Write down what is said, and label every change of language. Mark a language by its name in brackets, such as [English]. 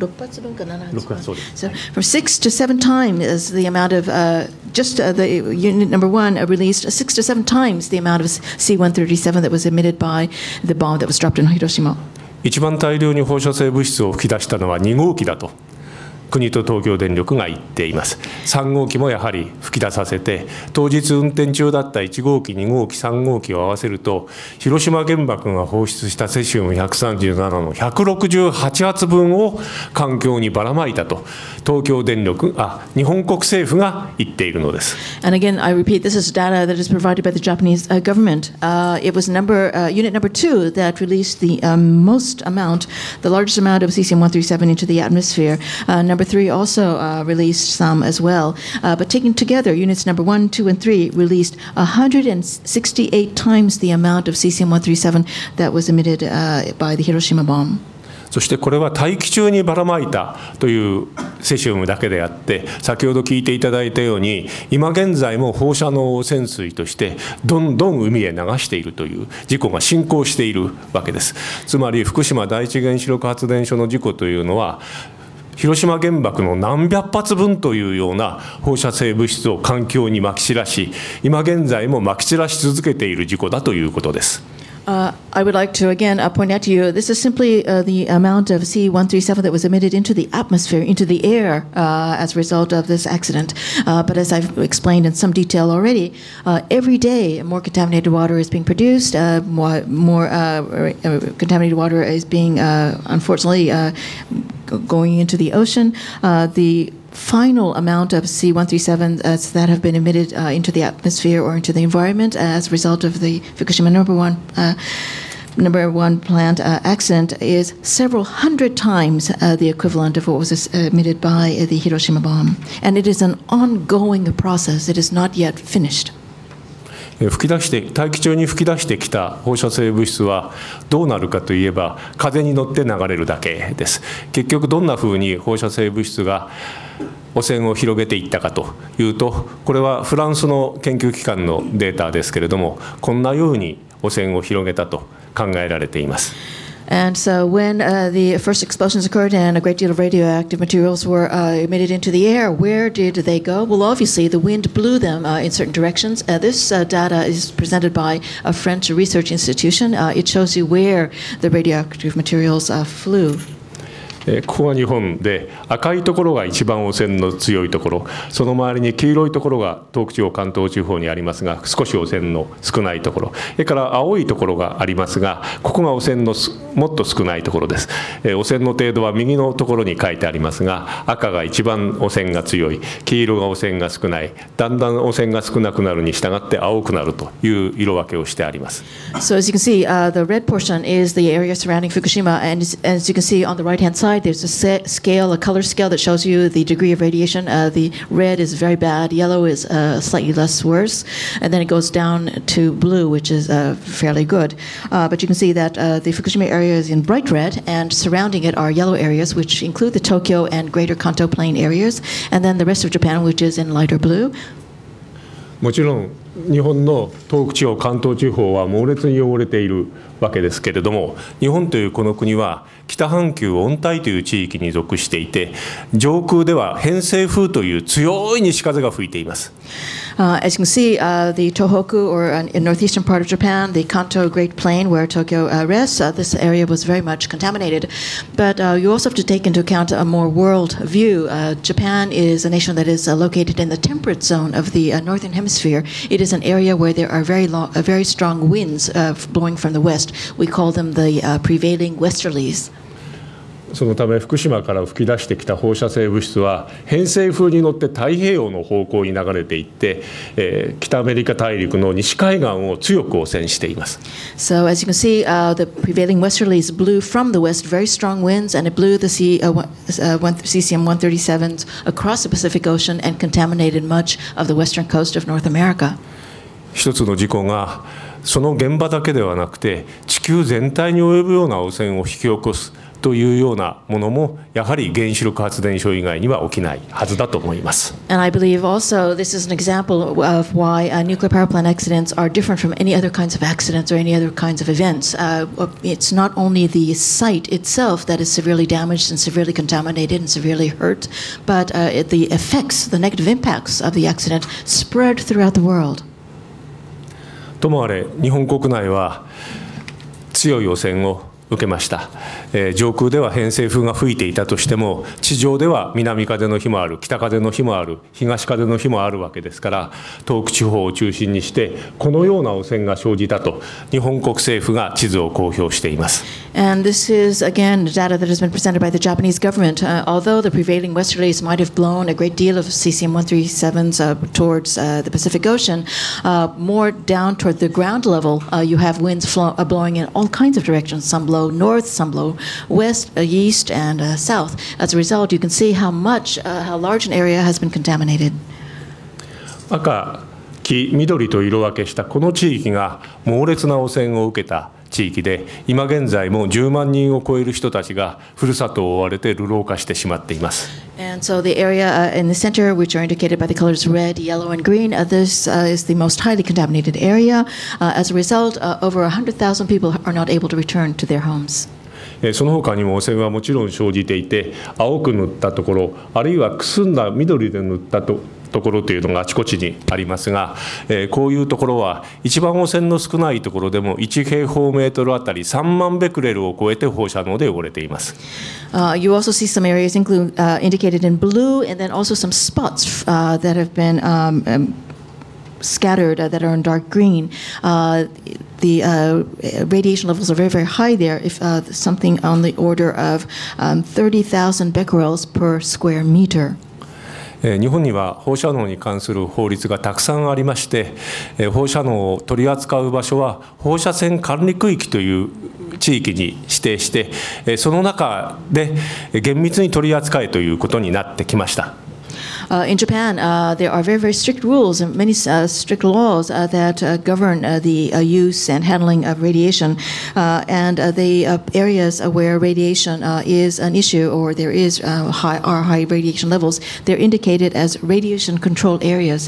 [English] So from 6 to 7 times is the amount of the unit number one released, 6 to 7 times the amount of C-137 that was emitted by the bomb that was dropped in Hiroshima. [Japanese] 一番大量に放射性物質を吹き出したのは2号機だと国と東京電力が言っています。 3号機もやはり吹き出させて、当日運転中だった1号機2号機3号機を合わせると、広島原爆が放出したセシウム137の168発分を環境にばらまいたと東京電力、あ、日本国政府が言っているのです。 [English] And again, I repeat, this is data that is provided by the Japanese government. It was number, unit number 2 that released the most amount, the largest amount of cesium-137 into the atmosphere. Number three also released some as well. But taken together, units number one, two, and three released 168 times the amount of cesium-137 that was emitted by the Hiroshima bomb. [Japanese] そしてこれは大気中にばらまいたというセシウムだけであって、先ほど聞いていただいたように、今現在も放射能汚染水としてどんどん海へ流しているという事故が進行しているわけです。つまり福島第一原子力発電所の事故というのは、広島原爆の何百発分というような放射性物質を環境にまき散らし、今現在もまき散らし続けている事故だということです。 [English] I would like to again point out to you, this is simply the amount of C-137 that was emitted into the atmosphere, into the air, as a result of this accident. But as I've explained in some detail already, every day more contaminated water is being produced, contaminated water is being unfortunately going into the ocean. The final amount of C-137 that have been emitted into the atmosphere or into the environment as a result of the Fukushima number one plant accident is several hundred times the equivalent of what was emitted by the Hiroshima bomb. And it is an ongoing process. It is not yet finished. [Japanese] 吹き出して大気中に吹き出してきた放射性物質はどうなるかといえば、風に乗って流れるだけです。結局どんなふうに放射性物質が汚染を広げていったかというと、これはフランスの研究機関のデータですけれども、こんなように汚染を広げたと考えられています。 [English] And so when the first explosions occurred and a great deal of radioactive materials were emitted into the air, where did they go? Well, obviously, the wind blew them in certain directions. This data is presented by a French research institution. It shows you where the radioactive materials flew. [Japanese] ここは日本で、赤いところが一番汚染の強いところ、その周りに黄色いところが東北地方、関東地方にありますが、少し汚染の少ないところ、それから青いところがありますが、ここが汚染のもっと少ないところです。汚染の程度は右のところに書いてありますが、赤が一番汚染が強い、黄色が汚染が少ない、だんだん汚染が少なくなるに従って青くなるという色分けをしてあります。 [English] So as you can see, the red portion is the area surrounding Fukushima, and as you can see on the right-hand side,There's a set scale, a color scale that shows you the degree of radiation. The red is very bad, yellow is slightly less worse, and then it goes down to blue, which is fairly good. But you can see that the Fukushima area is in bright red, and surrounding it are yellow areas, which include the Tokyo and Greater Kanto Plain areas, and then the rest of Japan, which is in lighter blue. [Japanese] もちろん日本の東北地方、関東地方は猛烈に汚れているわけですけれども、日本というこの国は北半球温帯という地域に属していて、上空では偏西風という強い西風が吹いています。 [English] As you can see, the Tohoku or northeastern part of Japan, the Kanto Great Plain where Tokyo rests, this area was very much contaminated. But you also have to take into account a more world view. Japan is a nation that is located in the temperate zone of the northern hemisphere. It is an area where there are very strong winds blowing from the west. We call them the prevailing westerlies. [Japanese] そのため福島から吹き出してきた放射性物質は偏西風に乗って太平洋の方向に流れていって、北アメリカ大陸の西海岸を強く汚染しています。 [English] So as you can see, the prevailing westerlies blew from the west very strong winds, and it blew the cesium-137 across the Pacific Ocean and contaminated much of the western coast of North America. [Japanese] 一つの事故がその現場だけではなくて、地球全体に及ぶような汚染を引き起こすというようなものもやはり原子力発電所以外には起きないはずだと思います。 [English] And I believe also this is an example of why nuclear power plant accidents are different from any other kinds of accidents or any other kinds of events. It's not only the site itself that is severely damaged and severely contaminated and severely hurt, but the effects, the negative impacts of the accident spread throughout the world. [Japanese] ともあれ日本国内は強い汚染を受けました。上空では偏西風が吹いていたとしても、地上では南風の日もある、北風の日もある、東風の日もあるわけですから、東北地方を中心にして、このような汚染が生じたと、日本国政府が地図を公表しています。 [English] And this is again data that has been presented by the Japanese government. Although the prevailing westerlies might have blown a great deal of cesium-137s towards the Pacific Ocean, more down toward the ground level, you have winds blowing in all kinds of directions, some blow north, some blow west, east, and south. As a result, you can see how much, how large an area has been contaminated. [Japanese] 赤、黄、緑と色分けしたこの地域が猛烈な汚染を受けた地域で、今現在も10万人を超える人たちがふるさとを追われて流浪化してしまっています。 [English] And so the area in the center, which are indicated by the colors red, yellow, and green, this is the most highly contaminated area. As a result, over 100,000 people are not able to return to their homes. [Japanese] その他にも汚染はもちろん生じていて、青く塗ったところ、あるいはくすんだ緑で塗ったところというのがあちこちにありますが、こういうところは一番汚染の少ないところでも1平方メートルあたり3万ベクレルを超えて放射能で汚れています。 [English] You also see some areas indicated in blue and then also some spots that have been scattered that are in dark green. The radiation levels are very, very high there, if something on the order of 30,000 becquerels per square meter. [Japanese] 日本には放射能に関する法律がたくさんありまして、放射能を取り扱う場所は放射線管理区域という地域に指定して、その中で厳密に取り扱えということになってきました。 [English] In Japan, there are very, very strict rules and many strict laws that govern the use and handling of radiation. And the areas where radiation is an issue or there is high radiation levels, they're indicated as radiation control areas.